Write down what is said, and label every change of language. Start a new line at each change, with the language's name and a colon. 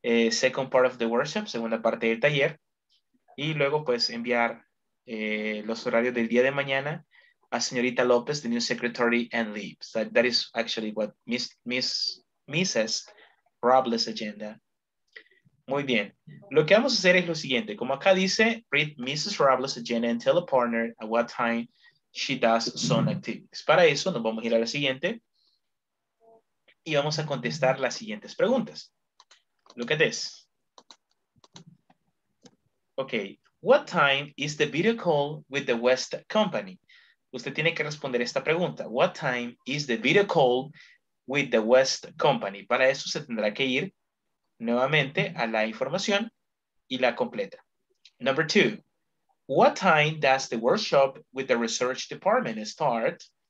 English: Second part of the workshop,
Spanish: segunda parte del taller. Y luego, pues, enviar los horarios del día de mañana a señorita López,
English: the new secretary, and leave. So that is actually what Mrs. Robles agenda.
Spanish: Muy bien. Lo que vamos a hacer es lo siguiente. Como acá dice, read Mrs.
English: Robles agenda and tell the partner at what time she does some activities.
Spanish: Para eso, nos vamos a ir a la siguiente. Y vamos a contestar las siguientes preguntas.
English: Look at this. Okay. What time is the video call with the West Company?
Spanish: Usted tiene que responder esta pregunta.
English: What time is the video call with the West Company?
Spanish: Para eso se tendrá que ir nuevamente a la información y la completa.
English: Number two, what time does the workshop with the research department start?